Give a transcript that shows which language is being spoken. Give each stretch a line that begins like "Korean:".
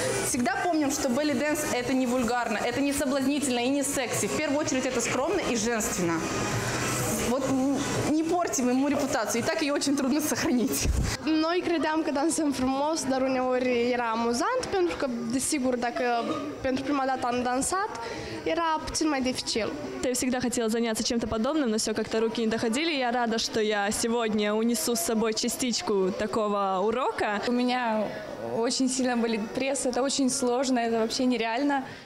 Russian: Всегда помним, что белли-дэнс – это не вульгарно, это не соблазнительно и не секси. В первую очередь это скромно и женственно. Вот не портим ему репутацию, и так ее очень трудно сохранить.
Romanian: Noi credeam că dansăm frumos, dar uneori era amuzant, pentru că, desigur, dacă pentru prima dată am dansat, era puțin mai dificil.
Russian: Я всегда хотела заняться чем-то подобным, но все как-то руки не доходили. Я рада, что я сегодня унесу с собой частичку такого урока. У меня очень сильно болит пресс, это очень сложно, это вообще нереально.